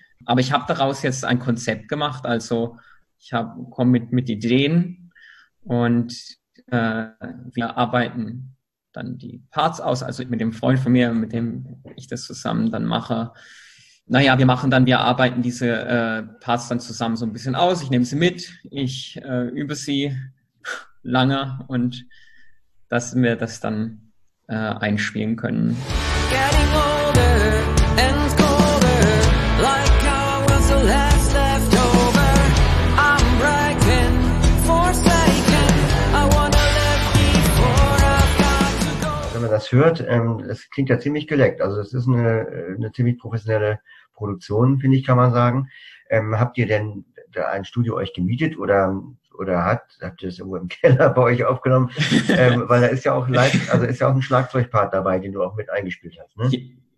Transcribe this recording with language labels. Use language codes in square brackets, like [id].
[de] Aber ich habe daraus jetzt ein Konzept gemacht, also ich komme mit Ideen, und wir arbeiten dann die Parts aus, also mit dem Freund von mir, mit dem ich das zusammen dann mache. Naja, wir arbeiten diese Parts dann zusammen so ein bisschen aus. Ich nehme sie mit, ich übe sie lange, und dass wir das dann einspielen können. [en] Getting older and colder, like I was the last left over. I'm breaking, forsaken. I wanna live before I've got to go. [de] Wenn man das hört, es klingt ja ziemlich geleckt. Also es ist eine ziemlich professionelle Produktion, finde ich, kann man sagen. Habt ihr denn da ein Studio euch gemietet, oder habt ihr das irgendwo im Keller bei euch aufgenommen? Weil da ist ja auch ein Schlagzeugpart dabei, den du auch mit eingespielt hast, ne?